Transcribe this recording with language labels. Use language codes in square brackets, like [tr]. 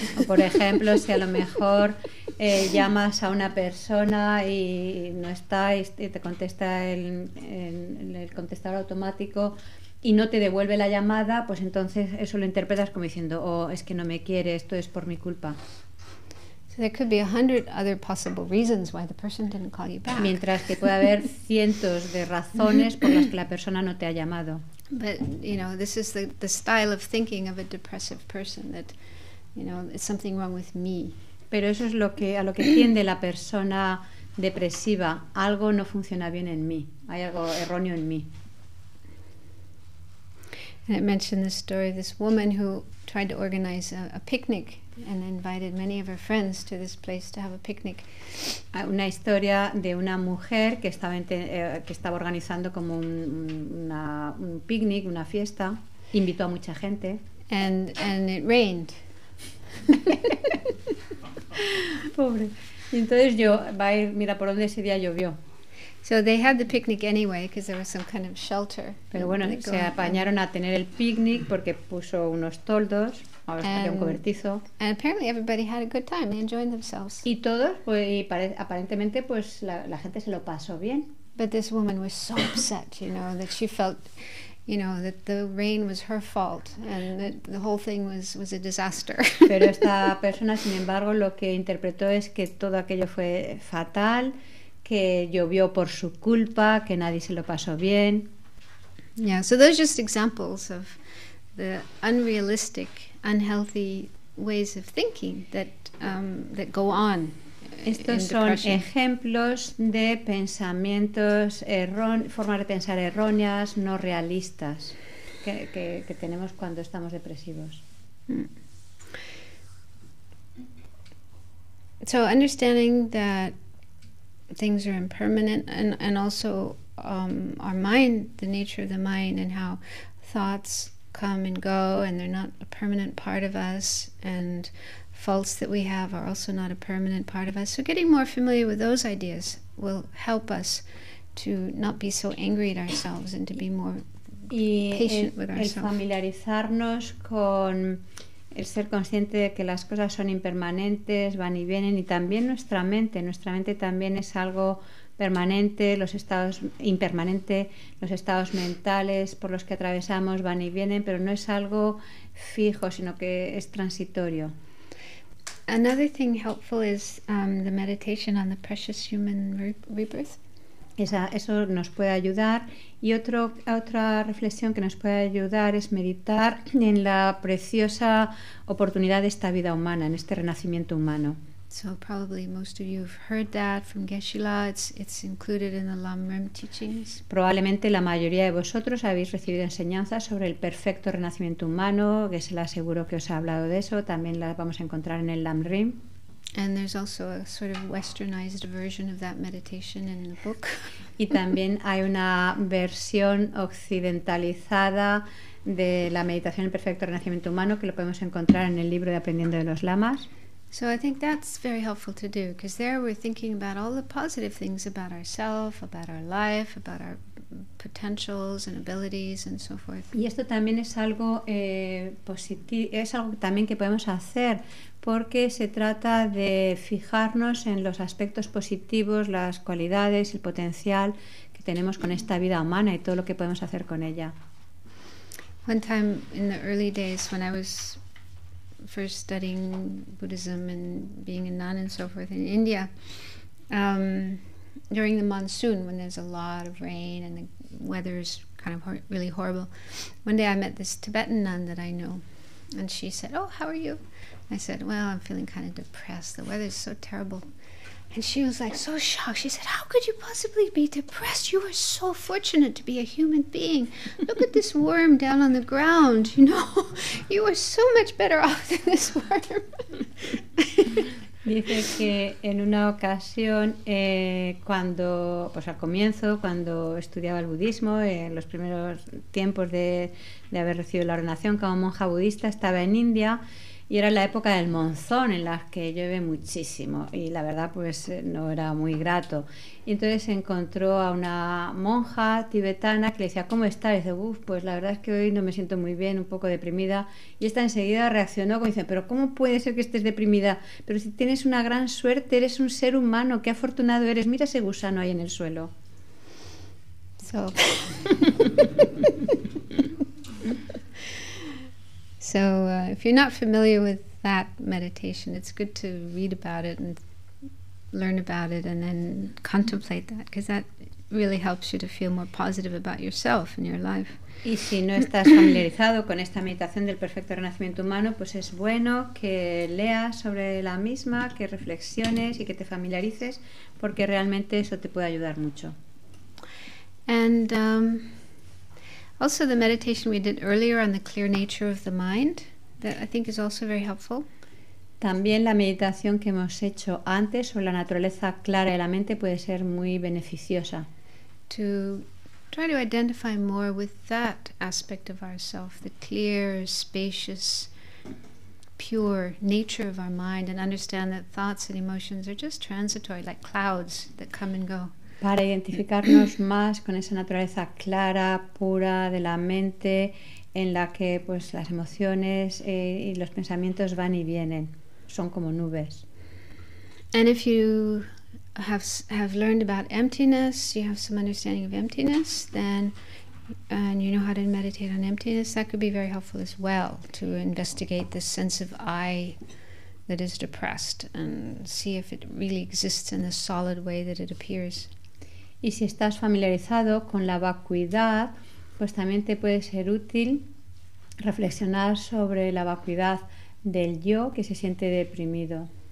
[es] Por ejemplo, si a lo mejor llamas a una persona y no está y te contesta el contestador automático, y no te devuelve la llamada, pues entonces eso lo interpretas como diciendo, oh, es que no me quiere, esto es por mi culpa. [en] So there could be 100 other possible reasons why the person didn't call you back. [es] Mientras que puede haber cientos de razones por las que la persona no te ha llamado. [en] But you know, this is the style of thinking of a depressive person, that you know, it's something wrong with me. [es] Pero eso es a lo que tiende la persona depresiva, algo no funciona bien en mí, hay algo erróneo en mí. [en] And it mentioned the story of this woman who tried to organize a picnic and invited many of her friends to this place to have a picnic. [es] Una historia de una mujer que estaba organizando como un picnic, una fiesta, invitó a mucha gente. [en] And it rained. [es] Pobre. Y entonces yo va a ir, mira por dónde ese día llovió. [en] So they had the picnic anyway because there was some kind of shelter. [es] Pero bueno, se apañaron a tener el picnic porque puso unos toldos, a ver, un cobertizo. [en] And apparently everybody had a good time. They enjoyed themselves. [es] Y todos, pues, y aparentemente, pues la gente se lo pasó bien. [en] But this woman was so upset, you know, that she felt, you know, that the rain was her fault and that the whole thing was a disaster. [es] Pero esta persona, sin embargo, lo que interpretó es que todo aquello fue fatal, que llovió por su culpa, que nadie se lo pasó bien. [en] Yeah, so those are just examples of the unrealistic, unhealthy ways of thinking that go on. [es] Estos son ejemplos de pensamientos formas de pensar erróneas, no realistas, que tenemos cuando estamos depresivos. [en] So understanding that things are impermanent and also our mind, the nature of the mind and how thoughts come and go and they're not a permanent part of us, and faults that we have are also not a permanent part of us. So getting more familiar with those ideas will help us to not be so angry at ourselves and to be more patient with ourselves. [es] El familiarizarnos con el ser consciente de que las cosas son impermanentes, van y vienen, y también nuestra mente también es algo permanente, los estados mentales por los que atravesamos van y vienen, pero no es algo fijo, sino que es transitorio. [en] Another thing helpful is the meditation on the precious human rebirth. [es] Eso nos puede ayudar. Y otra reflexión que nos puede ayudar es meditar en la preciosa oportunidad de esta vida humana, en este renacimiento humano. [en] So probably most of you have heard that from Geshe La. It's included in the Lam Rim teachings. [es] Probablemente la mayoría de vosotros habéis recibido enseñanzas sobre el perfecto renacimiento humano. Geshe La seguro que os ha hablado de eso. También la vamos a encontrar en el Lam Rim. [en] And there's also a sort of westernized version of that meditation in the book. [es] Y también hay una versión occidentalizada de la meditación del perfecto renacimiento humano que lo podemos encontrar en el libro de Aprendiendo de los Lamas. [en] So I think that's very helpful to do, because there we're thinking about all the positive things about ourselves, about our life, about our potentials and abilities and so forth. [es] Y esto también es algo es algo también que podemos hacer, porque se trata de fijarnos en los aspectos positivos, las cualidades, el potencial que tenemos con esta vida humana y todo lo que podemos hacer con ella. [en] One time in the early days when I was first studying Buddhism and being a nun and so forth in India, during the monsoon, when there's a lot of rain and the weather is kind of really horrible, one day I met this Tibetan nun that I know, and she said, "Oh, how are you?" I said, "Well, I'm feeling kind of depressed. The weather's so terrible." And she was like so shocked. She said, "How could you possibly be depressed? You are so fortunate to be a human being. Look at this worm down on the ground. You know, you are so much better off than this worm." [es] Dice que en una ocasión, al comienzo, cuando estudiaba el budismo, en los primeros tiempos de haber recibido la ordenación como monja budista, estaba en India. Y era la época del monzón, en la que llueve muchísimo, y la verdad pues no era muy grato. Y entonces encontró a una monja tibetana que le decía, ¿cómo estás? Y dice, uff, pues la verdad es que hoy no me siento muy bien, un poco deprimida. Y esta enseguida reaccionó como dice, ¿pero cómo puede ser que estés deprimida? Pero si tienes una gran suerte, eres un ser humano, qué afortunado eres, mira ese gusano ahí en el suelo. [en] So. So if you're not familiar with that meditation, it's good to read about it and learn about it and then contemplate that, because that really helps you to feel more positive about yourself and your life. [es] Y si no estás familiarizado con esta meditación del perfecto renacimiento humano, pues es bueno que leas sobre la misma, que reflexiones y que te familiarices, porque realmente eso te puede ayudar mucho. [en] And also the meditation we did earlier on the clear nature of the mind, that I think is also very helpful. [es] También la meditación que hemos hecho antes sobre la naturaleza clara de la mente puede ser muy beneficiosa. [en] To try to identify more with that aspect of ourself, the clear, spacious, pure nature of our mind, and understand that thoughts and emotions are just transitory, like clouds that come and go. [es] Para identificarnos más con esa naturaleza clara, pura de la mente, en la que pues las emociones y los pensamientos van y vienen, son como nubes. [en] And if you have learned about emptiness, you have some understanding of emptiness, then and you know how to meditate on emptiness, that could be very helpful as well, to investigate this sense of I that is depressed and see if it really exists in the solid way that it appears. [es] Y si estás familiarizado con la vacuidad, pues también te puede ser útil reflexionar sobre la vacuidad del yo que se siente deprimido.